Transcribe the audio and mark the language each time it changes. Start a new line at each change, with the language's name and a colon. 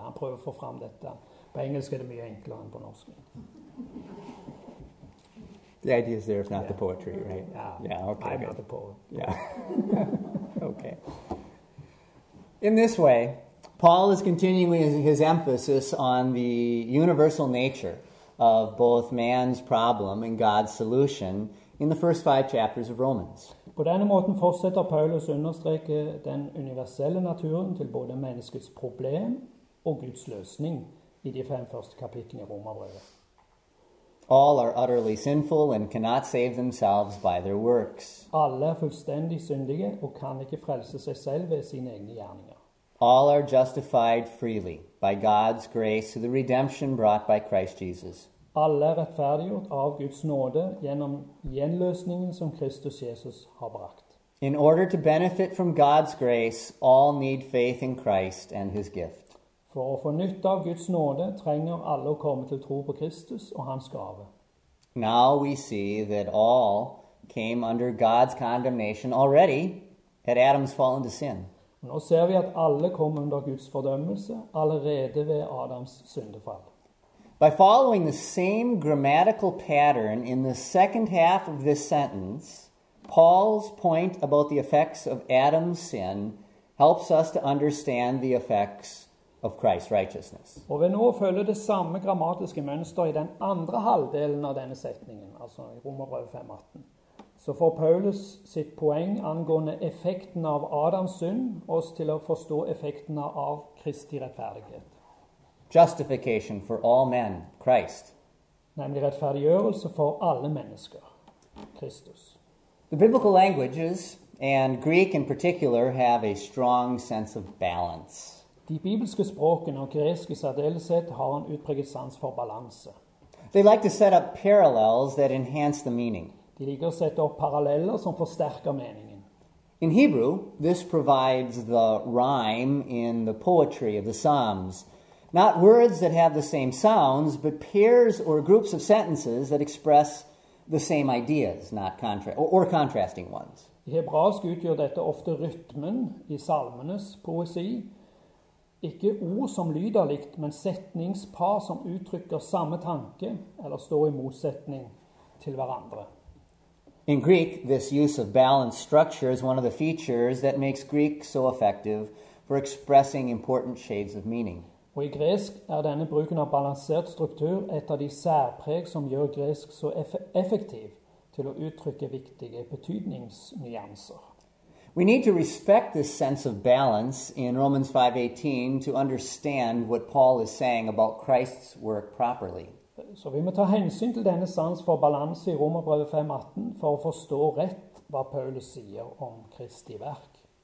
Norwegian: Han prøver å få fram dette. På engelsk er det mye enklere enn på norsk.
English: The idea is there is not the poetry, right? Yeah, okay. I'm not the poet. Yeah. Okay. In this way, Paul is continuing his emphasis on the universal nature of both man's problem and God's solution in the first five chapters of Romans.
Norwegian: På denne måten fortsetter Paulus å understreke den universelle naturen til både menneskets problem og Guds løsning i de fem første kapitlene i Romerbrevet.
English: All are utterly sinful and cannot save themselves by their works.
Norwegian: Alle er fullstendig syndige og kan ikke frelse seg selv ved sine egne gjerninger.
English: All are justified freely by God's grace through the redemption brought by Christ Jesus.
Norwegian: Alle er rettferdiggjort av Guds nåde gjennom gjenløsningen som Kristus Jesus har brakt.
English: In order to benefit from God's grace, all need faith in Christ and his gift.
Norwegian: For å få nytte av Guds nåde trenger alle å komme til tro på Kristus og hans gave.
English: Now we see that all came under God's condemnation already at Adam's fall into sin.
Norwegian: Nå ser vi at alle kom under Guds fordømmelse allerede ved Adams syndefall.
English: By following the same grammatical pattern in the second half of this sentence, Paul's point about the effects of Adam's sin helps us to understand the effects of Christ's righteousness.
Norwegian: Og vi nå følger det samme grammatiske mønster i den andre halvdelen av denne setningen, altså i Romerbrevet 5:18. Så får Paulus sitt poeng angående effekten av Adams synd oss til å forstå effekten av Kristi rettferdighet.
English: Justification for all men, Christ.
Norwegian: Nemlig rettferdiggjørelse for alle mennesker, Kristus.
English: The biblical languages, and Greek in particular, have a strong sense of balance.
Norwegian: De bibelske språkene og greske særdeleshet har en utpreget sans for balanse.
English: They like to set up parallels that enhance the meaning.
Norwegian: De liker å sette opp paralleller som forsterker meningen.
English: In Hebrew, this provides the rhyme in the poetry of the Psalms. Not words that have the same sounds, but pairs or groups of sentences that express the same ideas, not or contrasting ones.
Norwegian: I hebraisk utgjør dette ofte rytmen i salmenes poesi. Ikke ord som lyder likt, men setningspar som uttrykker samme tanke eller står i motsetning til hverandre.
English: In Greek, this use of balanced structure is one of the features that makes Greek so effective for expressing important shades of meaning.
Norwegian: Og i gresk er denne bruken av balansert struktur et av de særpreg som gjør gresk så effektiv til å uttrykke viktige betydningsnyanser.
English: We need to respect this sense of balance in Romans 5:18 to understand what Paul is saying about Christ's work properly.
Norwegian: Så vi må ta hensyn til denne sans for balanse i Romerbrevet 5:18 for å forstå rett hva Paulus sier om Kristi verk.